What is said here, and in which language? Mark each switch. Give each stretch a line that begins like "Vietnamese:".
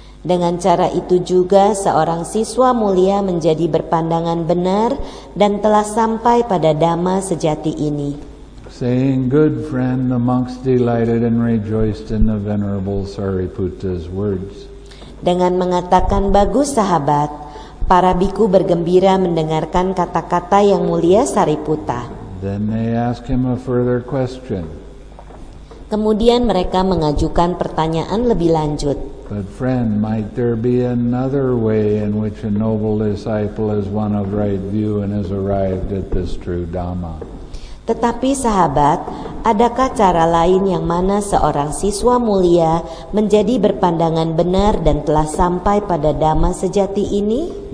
Indonesian: Dengan cara itu juga, seorang siswa mulia menjadi berpandangan benar dan telah sampai pada Dhamma sejati ini.
English: Saying, good friend, the monks delighted and rejoiced in the venerable Sariputta's words.
Indonesian: Dengan mengatakan bagus sahabat, para bhikkhu bergembira mendengarkan kata-kata yang mulia Sariputta.
English: Then they ask him a further question.
Indonesian: Kemudian mereka mengajukan pertanyaan lebih lanjut.
English: But friend, might there be another way in which a noble disciple is one of right view and has arrived at this true Dhamma?
Indonesian: Tetapi sahabat, adakah cara lain yang mana seorang siswa mulia menjadi berpandangan benar dan telah sampai pada Dhamma sejati ini?